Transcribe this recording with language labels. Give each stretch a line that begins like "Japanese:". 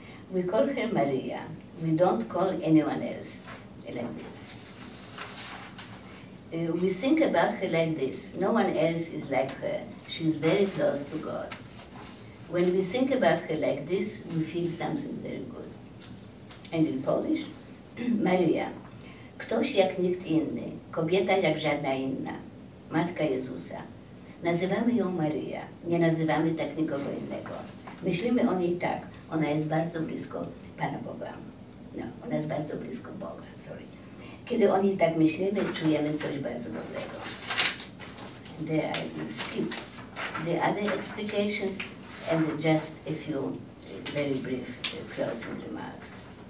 English: We call her Maria, we don't call anyone else like this. We think about her like this, no one else is like her, she's very close to God. When we think about her like this, we feel something very good. And in Polish,
Polish: Maria, ktoś jak nikt inny, kobieta jak żadna inna, Matka Jezusa. Nazywamy ją Maria, nie nazywamy tak nikogo innego. Myślimy o niej tak, ona jest bardzo blisko Pana Boga. No, ona jest bardzo blisko Boga,
English: sorry.
Polish: Kiedy o niej tak myślimy, czujemy coś bardzo dobrego.
English: There I skip the other explications and just a few very brief closing remarks.